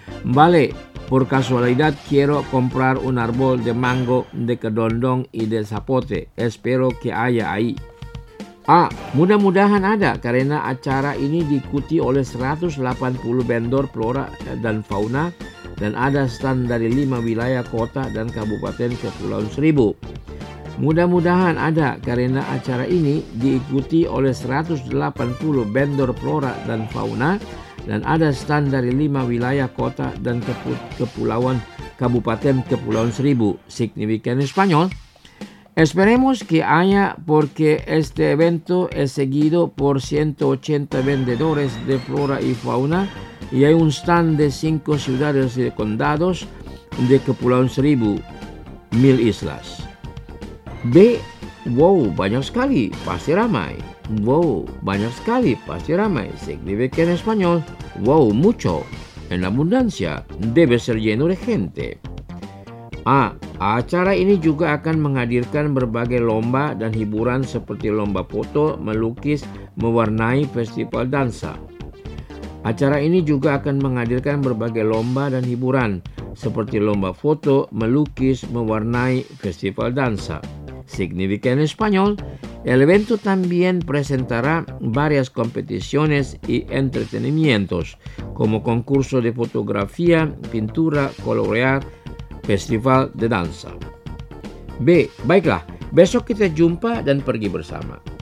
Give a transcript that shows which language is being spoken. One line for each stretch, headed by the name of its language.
Spanish: Vale, por casualidad quiero comprar un árbol de mango, de kedondong y de zapote. Espero que haya ahí. A.
Indonesian: Mudah-mudahan ada, karena acara ini diikuti oleh 180 vendor flora dan fauna dan ada stand dari 5 wilayah kota dan kabupaten Kepulauan Seribu. Mudah-mudahan ada, karena acara ini diikuti oleh 180 vendor flora dan fauna dan ada stand dari 5 wilayah kota dan kepulauan kabupaten Kepulauan Seribu.
Spanish: Significan español. Esperemos que haya, porque este evento es seguido por 180 vendedores de flora y fauna y hay un stand de 5 ciudades y condados de Kepulauan Seribu, 1000 islas.
Indonesian: B. Wow, banyak sekali, pasti ramai. Wow, banyak sekali, pasti ramai.
Spanish: Significa en español. Wow, mucho. En abundancia. Debe ser lleno de gente. A.
Indonesian: Acara ini juga akan menghadirkan berbagai lomba dan hiburan seperti lomba foto, melukis, mewarnai, festival dansa. Acara ini juga akan menghadirkan berbagai lomba dan hiburan seperti lomba foto, melukis, mewarnai, festival dansa.
Spanish: Significa en español. El evento también presentará varias competiciones y entretenimientos, como concurso de fotografía, pintura, colorear, festival de danza.
Indonesian: B. Baiklah, besok kita jumpa dan pergi bersama.